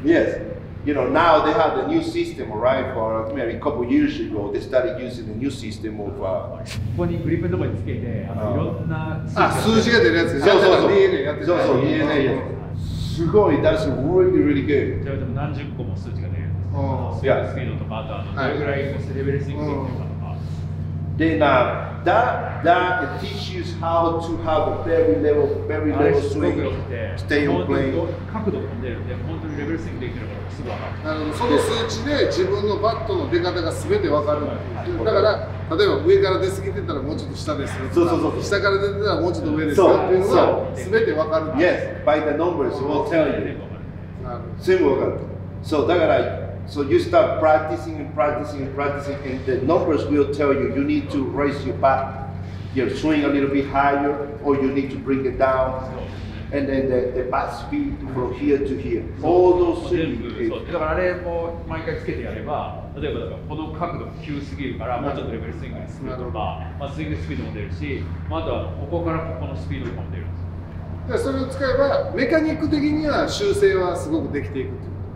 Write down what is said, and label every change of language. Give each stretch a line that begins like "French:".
English: yes you know now they have the new system right for maybe a couple years ago they started using the new system of
Japanese: ここにグリップのとこにつけてあのいろんな数字が出るやつそうそうそう DNA やってそうそう DNA やすごい
English: that's really really good
Japanese: でも何十個も数字が出るスピードとかあとどれぐらいレベルスイングとか
English: Then that it teaches how to have a very level swing, stay on plane.
Japanese: 角度飛んでるんで、本当にレベルスイングできるからすぐ分かる。あのその数値で自分のバットの出方が全て分かるんだ。だから、例えば上から出すぎてたらもうちょっと下ですよ。そう。下から出てたらもうちょっと上ですよっていうのが全て分かるんだ。
English: Yes, by the numbers, we'll tell you.
Japanese: 全部分かる。
English: So,
Japanese: だから、
English: So you start practicing and practicing and practicing and the numbers will tell you you need to raise your bat, your swing a little bit higher or you need to bring it down and then the bat speed from here to here. All those things.
Japanese: だからあれも毎回つけてやれば、例えばこの角度が急すぎるからもうちょっとレベルスイングにするとか、まあ、スイングスピードも出るし、まあ、あとはここからここのスピードも出るんです。それを使えばメカニック的には修正はすごくできていくと。